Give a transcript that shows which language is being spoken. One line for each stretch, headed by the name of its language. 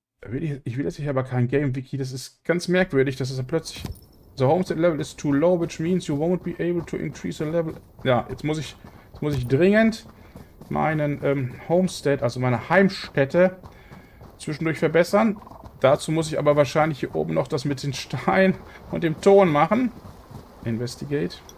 German: Ich will jetzt hier aber kein Game-Wiki. Das ist ganz merkwürdig, dass es da plötzlich...
English: The homestead level is too low, which means you won't be able to increase the level.
German: Ja, jetzt muss ich dringend meinen Homestead, also meine Heimstätte, zwischendurch verbessern. Dazu muss ich aber wahrscheinlich hier oben noch das mit den Steinen und dem Ton machen. Investigate.